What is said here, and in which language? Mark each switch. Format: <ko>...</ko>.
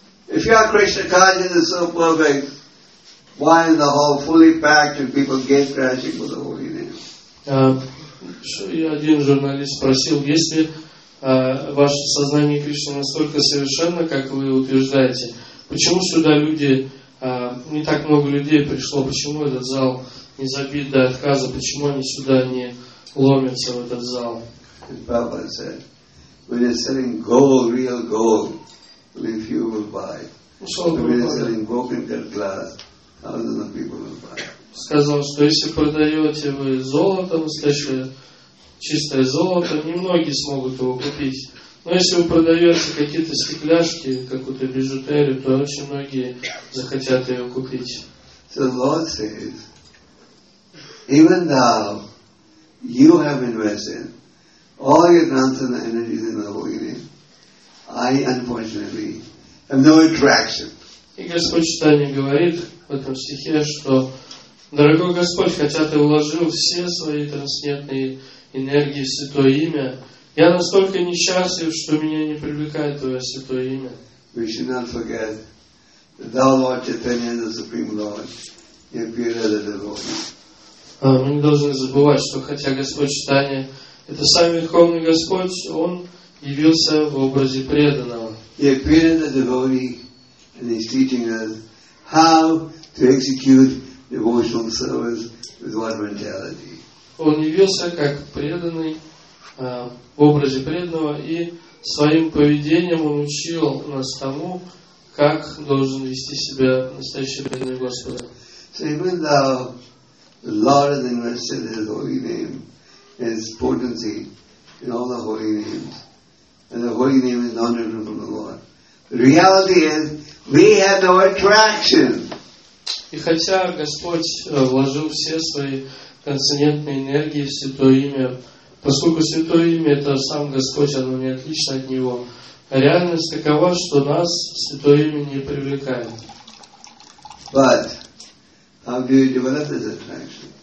<en>If your Krishna consciousness is so perfect, why is the hall fully packed and people gate crashing for the holy name?</en> <ru>Один журналист спросил, если ваше сознание Кришны настолько совершенно, как вы утверждаете, почему сюда люди, не так много людей пришло, почему этот зал не забит до отказа, почему они сюда не ломятся в этот зал? Сказал, что если продаете вы золото, настоящее чистое золото, немногие смогут его купить. Но если вы продаете какие-то стекляшки, какую-то бижутерию, то очень многие захотят ее купить.</ru> <en>So Lord says, even now you have invested all your transcendental energies in the Holy Name, I unfortunately have no attraction.</en> <ru>И Господь Читание говорит в этом стихе, что дорогой Господь, хотя ты вложил все свои трансцендентные энергии в Святое Имя, я настолько несчастлив, что меня не привлекает Твое Святое Имя.</ru> <en>We should not forget that Thou, Lord Chaitanya, the Supreme Lord, you appear as a devotee.</en> <ru>Мы не должны забывать, что хотя Господь Читание это Сам Верховный Господь, Он явился в образе преданного.</ru> <en>He appeared as a devotee and He's teaching us how to execute devotional service with what mentality.</en> <ru>Он явился как преданный в образе преданного и своим поведением он учил нас тому, как должен вести себя настоящий преданный Господа.</ru> <en>So even though the Lord has invested His holy name and His potency in all the holy names, and the holy name is honorable from the Lord, the reality is we have no attraction.</en> <ru>И хотя Господь вложил все свои трансцендентной энергии в Святое Имя, поскольку Святое Имя это Сам Господь, оно не отлично от Него. Реальность такова, что нас Святое Имя не привлекает.</ru> <en>But how do you develop this attraction?</en>